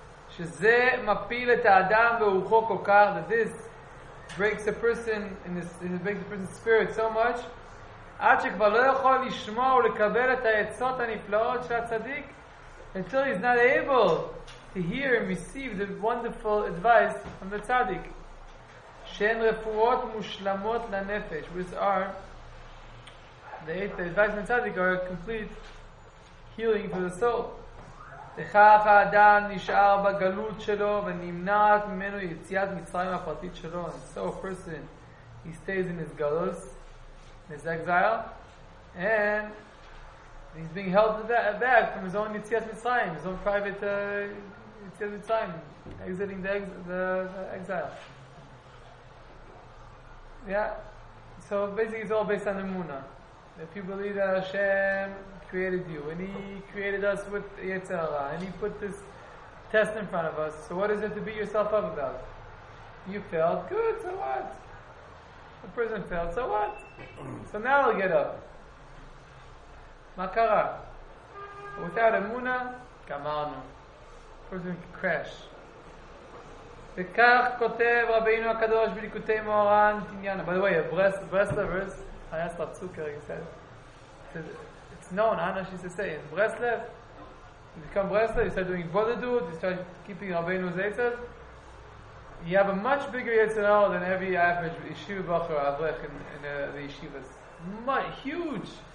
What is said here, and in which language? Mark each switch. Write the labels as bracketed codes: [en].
[he] שזה מפיל את האדם ברוחו כל כך, [en] that this breaks a person in this, it breaks the person's spirit so much, [he] עד שכבר לא יכול לשמוע ולקבל את העצות הנפלאות של הצדיק, [en] until he's not able to hear and receive the wonderful advice from the tzaddik. [he] שהן רפואות מושלמות לנפש, [en] which are the advice of the tzaddik are a complete healing for the soul. [he] לכך האדם נשאר בגלות שלו ונמנעת ממנו יציאת מצרים הפרטית שלו. [en] And so a person, he stays in his galus, in his exile, and he's being held back from his own יציאת מצרים, his own private יציאת מצרים, exiting the exile. Yeah, so basically it's all based on emunah. If you believe that Hashem created you, and He created us with Yetzer Hara, and He put this test in front of us, so what is it to beat yourself up about? You failed, good, so what? The person failed, so what? So now I'll get up. [he] Ma kara? [en] Without emunah, gamarnu. The person can crash. [he] וכך כותב רבינו הקדוש בליקוטי מוהר"ן תניאנה. [en] By the way, ברסלבס, אני אסתר צוקר, he said, it's known, Anna, she used to say, in ברסלב, you become ברסלב, you start doing בודדות, you start keeping רבינו זייצר, you have a much bigger יצנאו than every average ישיבה בוחר אברך in the ישיבה. Huge!